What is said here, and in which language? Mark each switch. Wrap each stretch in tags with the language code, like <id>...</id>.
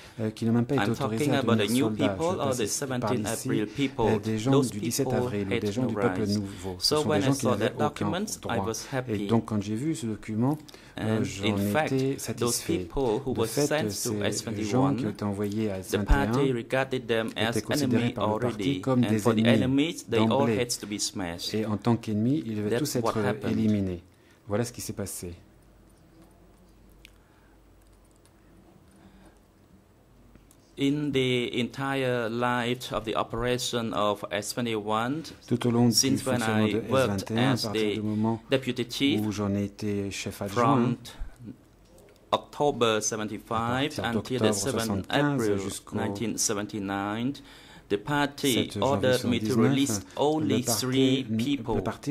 <en>I'm talking about the new people or the 17 April people, those people hate no rights. So when I saw that document, I was happy.</en> <fr>Et donc, quand j'ai vu ce document,</fr> <en>in fact, those people who were sent to S21, the party regarded them as enemy already, and for the enemies, they all had to be smashed.</en> <fr>Et en tant qu'ennemi, ils devaient tous être éliminés. Voilà ce qui s'est passé.</fr> <en>In the entire life of the operation of S21,</en> <fr>tout au long</fr> <en>since</en> <fr>du fonctionnement de S21, à partir du moment où j'en ai été chef adjoint,</fr> <en>from October 75 until the 7th April 1979, the party ordered me to release only three people.</en>